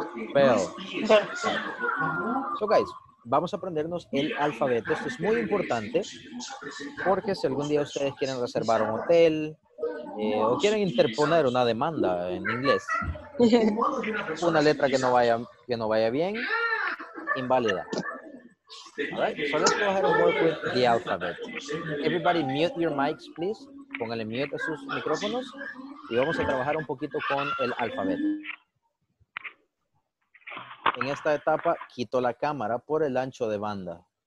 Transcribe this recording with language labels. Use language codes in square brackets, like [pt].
[en] Spell. So guys, [es] vamos a aprendernos el alfabeto. Esto es muy importante porque si algún día ustedes quieren reservar un hotel o quieren interponer una demanda en inglés, una letra que no vaya bien, invalida. [en] All right, so let's go ahead and work with the alphabet. Everybody mute your mics, please. [es] Póngale mute a sus micrófonos y vamos a trabajar un poquito con el alfabeto. en esta etapa quito la cámara por el ancho de banda.